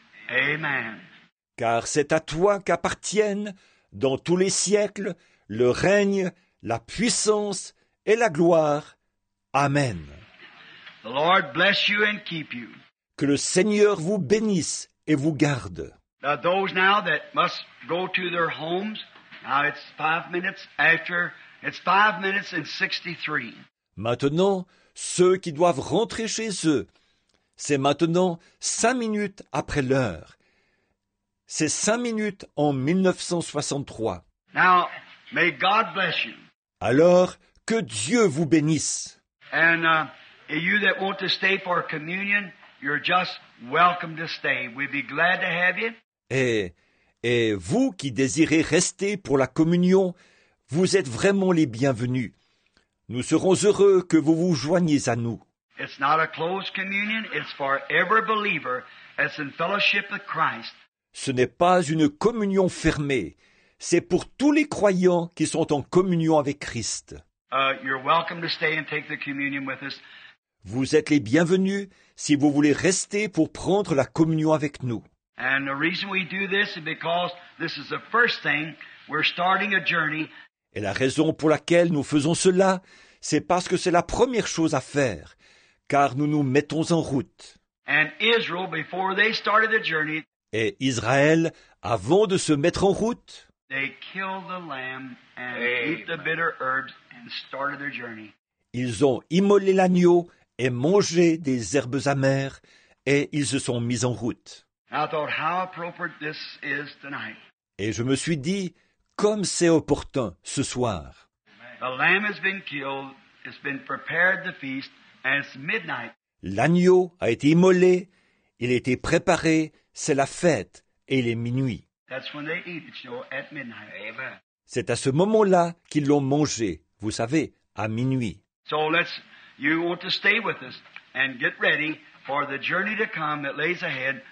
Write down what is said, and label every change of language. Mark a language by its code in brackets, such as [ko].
[en] Amen. [fr] Car c'est à toi qu'appartiennent, dans tous les siècles, le règne, la puissance et la gloire. [en] Amen. The Lord bless you and keep you. [fr] Que le Seigneur vous bénisse et vous garde. [en] Now those now that must go to their homes, now it's 5 minutes after, it's 5 minutes and 63. [fr] Maintenant, ceux qui doivent rentrer chez eux, c'est maintenant 5 minutes après l'heure. C'est 5 minutes en 1963. [en] Now, may God bless you. [fr] Alors, que Dieu vous bénisse. [en] And you that want to stay for communion, you're just welcome to stay. We'd be glad to have you. [fr] Et vous qui désirez rester pour la communion, vous êtes vraiment les bienvenus. Nous serons heureux que vous vous joigniez à nous. [en] It's not a closed communion. It's for every believer that's in fellowship with Christ. [fr] Ce n'est pas une communion fermée. C'est pour tous les croyants qui sont en communion avec Christ. [en] You're welcome to stay and take the communion with us. [fr] Vous êtes les bienvenus si vous voulez rester pour prendre la communion avec nous. [en] And the reason we do this is because this is the first thing we're starting a journey. [fr] Et la raison pour laquelle nous faisons cela, c'est parce que c'est la première chose à faire, car nous nous mettons en route. [en] And Israel, before they started the journey, [fr] et Israël, avant de se mettre en route, [en] they killed the lamb and ate the bitter herbs and started their journey. [fr] Ils ont immolé l'agneau et mangé des herbes amères et ils se sont mis en route. [en] I thought how appropriate this is tonight. [fr] Et je me suis dit, comme c'est opportun ce soir. [en] The lamb has been killed, it's been prepared the feast, and it's midnight. [fr] L'agneau a été immolé, il a été préparé, c'est la fête et il est minuit. [en] That's when they eat it, Joe, at midnight. Amen. [fr] C'est à ce moment-là qu'ils l'ont mangé, vous savez, à minuit. [en] So let's, you want to stay with us and get ready for the journey to come that lays ahead.